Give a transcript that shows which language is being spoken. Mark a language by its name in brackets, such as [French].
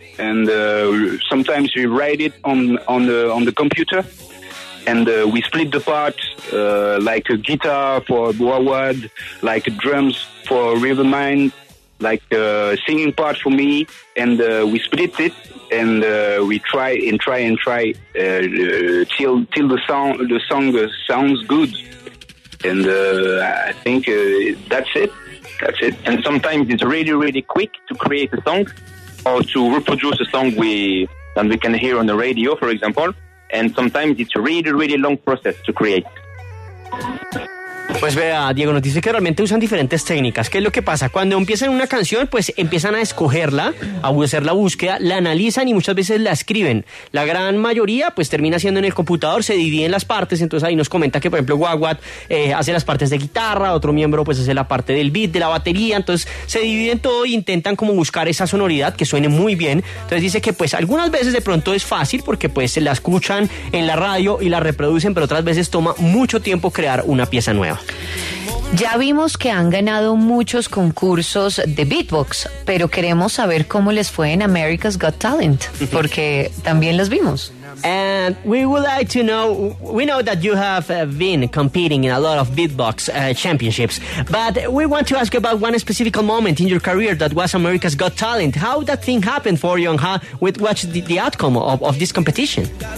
[English] And sometimes we write it on the computer, and we split the parts like a guitar for Wawad, like drums for Rivermind, like a singing part for me, and we split it, and we try till the song sounds good, and I think that's it. And sometimes it's really really quick to create a song or to reproduce a song we can hear on the radio, for example, and sometimes it's a really really long process to create. [Spanish] Pues vea, Diego nos dice que realmente usan diferentes técnicas. ¿Qué es lo que pasa? Cuando empiezan una canción, pues empiezan a escogerla, a hacer la búsqueda, la analizan y muchas veces la escriben. La gran mayoría, pues termina siendo en el computador, se divide en las partes. Entonces ahí nos comenta que, por ejemplo, Wawat hace las partes de guitarra, otro miembro pues hace la parte del beat, de la batería. Entonces se dividen todo e intentan como buscar esa sonoridad que suene muy bien. Entonces dice que pues algunas veces de pronto es fácil porque pues se la escuchan en la radio y la reproducen, pero otras veces toma mucho tiempo crear una pieza nueva. Ya vimos que han ganado muchos concursos de beatbox, pero queremos saber cómo les fue en America's Got Talent, porque también los vimos. [English] And we would like to know, we know that you have been competing in a lot of beatbox championships, but we want to ask about one specific moment in your career that was America's Got Talent. How that thing happened for you, and what's the outcome of this competition?